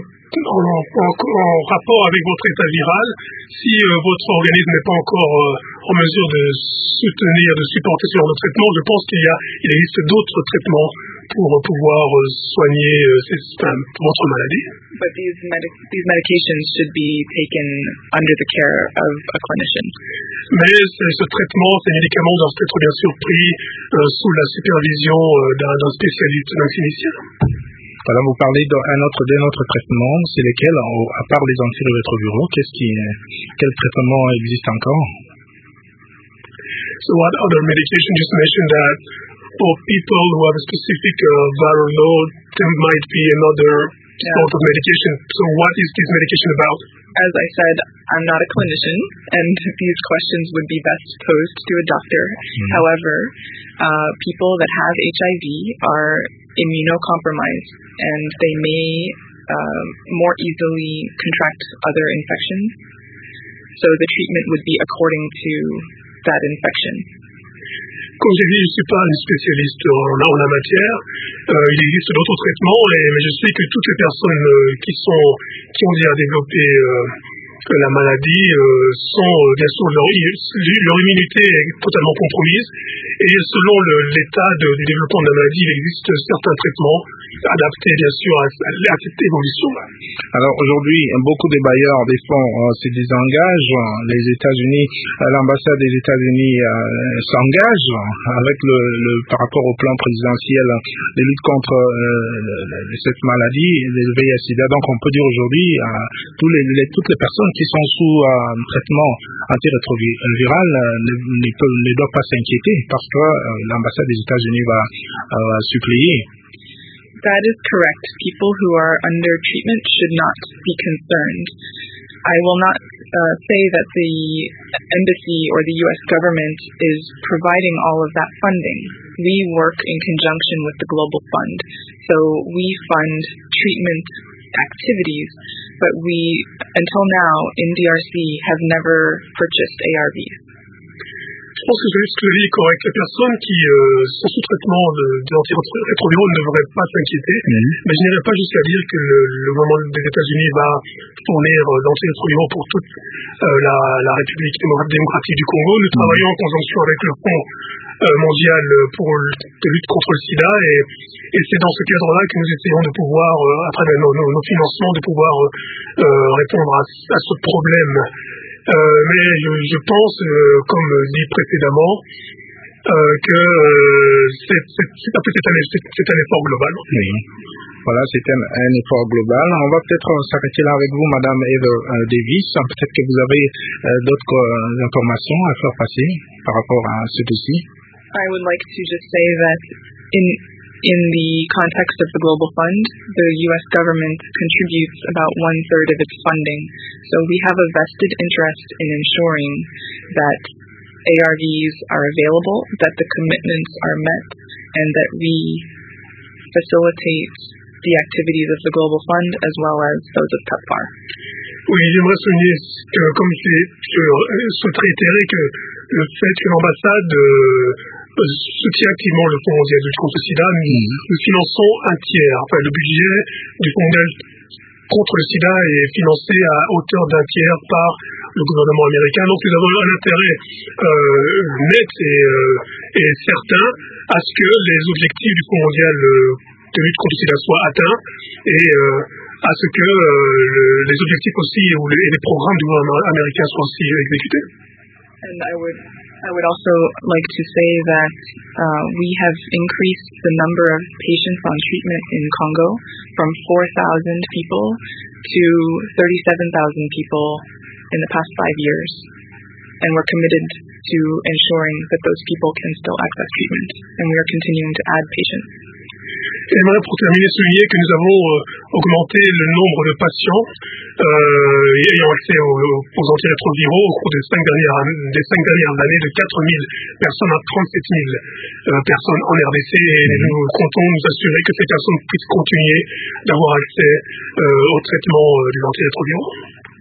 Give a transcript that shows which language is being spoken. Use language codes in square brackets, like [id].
[fr] En rapport avec votre état viral, si votre organisme n'est pas encore en mesure de supporter ce genre de traitement, je pense qu'il existe d'autres traitements pour pouvoir soigner votre maladie. [en] But these medications should be taken under the care of a clinician. [fr] Mais ce traitement, ces médicaments doivent être bien sûr pris sous la supervision d'un spécialiste, d'un clinicien. Alors vous parlez d'un autre traitement, c'est lequel, à part les antirétroviraux, quel traitement existe encore? [en] So what other medication just mentioned that for people who have a specific viral load, there might be another sort of medication. So what is this medication about? As I said, I'm not a clinician, and these questions would be best posed to a doctor. Mm-hmm. However, people that have HIV are immunocompromised, and they may more easily contract other infections. So the treatment would be according to that infection. [fr] Comme j'ai dit, je ne suis pas un spécialiste en la matière. Il existe d'autres traitements, mais je sais que toutes les personnes qui ont déjà développé la maladie sont, bien sûr, leur immunité est totalement compromise. Et selon l'état du développement de la maladie, il existe certains traitements adaptés, bien sûr, à cette évolution. Alors aujourd'hui, beaucoup de bailleurs des fonds se désengagent. Les États-Unis, l'ambassade des États-Unis s'engage avec le par rapport au plan présidentiel de lutte contre cette maladie, le VIH/SIDA. Donc on peut dire aujourd'hui à toutes les personnes qui sont sous traitement antirétroviral ne doivent pas s'inquiéter parce que l'ambassade des États-Unis va supplier. [en] That is correct. People who are under treatment should not be concerned. I will not say that the embassy or the U.S. government is providing all of that funding. We work in conjunction with the Global Fund. So we fund treatment activities, but we, until now, in DRC, have never purchased ARVs. [fr] Je pense que je vais expliquer correct. Les personnes qui sont sous traitement d'antirétroviraux ne devraient pas s'inquiéter. Mm-hmm. Mais je n'irai pas jusqu'à dire que le gouvernement des États-Unis va fournir d'antirétroviraux pour toute la République démocratique du Congo. Nous travaillons en conjonction avec le Fonds mondial pour la lutte contre le sida. Et c'est dans ce cadre-là que nous essayons de pouvoir, à travers nos financements, de pouvoir répondre à ce problème. Mais je pense, comme dit précédemment, que c'est un effort global. Oui. Voilà, c'est un effort global. On va peut-être s'arrêter là avec vous, Madame Eva Davis. Peut-être que vous avez d'autres informations à faire passer par rapport à ce dossier. [en] I would like to just say that in the context of the Global Fund, the U.S. government contributes about one-third of its funding. So we have a vested interest in ensuring that ARVs are available, that the commitments are met, and that we facilitate the activities of the Global Fund as well as those of PEPFAR. [fr] Oui, j'aimerais souligner, comme je souhaiterais réitérer, que le fait que l'ambassade soutient activement le Fonds mondial de lutte contre le sida, nous finançons un tiers. Enfin, le budget du Fonds mondial contre le sida est financé à hauteur d'un tiers par le gouvernement américain. Donc, nous avons un intérêt net et certain à ce que les objectifs du Fonds mondial de lutte contre le sida soient atteints et à ce que les objectifs aussi et les programmes du gouvernement américain soient aussi exécutés. [en] And I would also like to say that we have increased the number of patients on treatment in Congo from 4,000 people to 37,000 people in the past 5 years. And we're committed to ensuring that those people can still access treatment. And we are continuing to add patients. [fr] Et voilà, pour terminer, souligner que nous avons augmenté le nombre de patients ayant accès aux antirétroviraux au cours des cinq dernières années, de 4 000 personnes à 37 000 personnes en RDC. Et nous comptons nous assurer que ces personnes puissent continuer d'avoir accès au traitement de l'antirétroviraux.